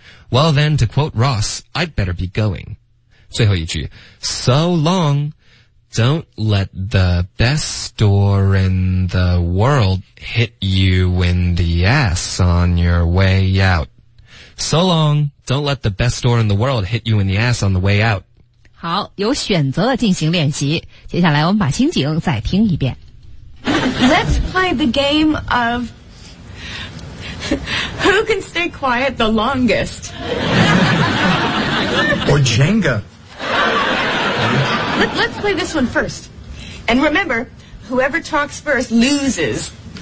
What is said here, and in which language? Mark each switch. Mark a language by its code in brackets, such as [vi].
[en] Well then, to quote Ross, I'd better be going. [zh] 最后一句 [en] So long, don't let the best door in the world hit you in the ass on your way out. So long, don't let the best door in the world hit you in the ass on the way out. [zh] 好，有选择的进行练习。接下来我们把情景再听一遍。 [en] Let's play the game of who can stay quiet the longest? Or Jenga. Let's play this one first. And remember, whoever talks first loses.